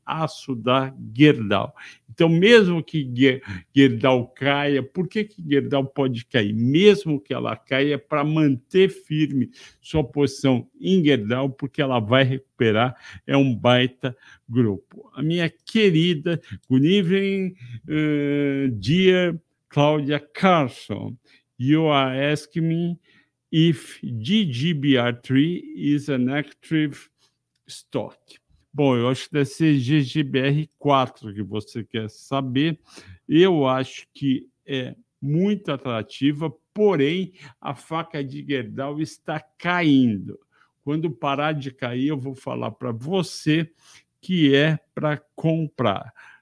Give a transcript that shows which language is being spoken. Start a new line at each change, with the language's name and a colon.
Portuguese: Aço da Guerdal. Então, mesmo que Guerdal caia, por que que Guerdal pode cair? Mesmo que ela caia, para manter firme sua posição em Guerdal, porque ela vai recuperar, é um baita grupo. A minha querida,
English: good evening, dear Claudia Carson, you are asking me if GGBR3 is an active stock.
Portuguese: Bom, eu acho que deve ser GGBR4 que você quer saber. Eu acho que é muito atrativa, porém, a faca de Guerdal está caindo. Quando parar de cair, eu vou falar para você que é para comprar.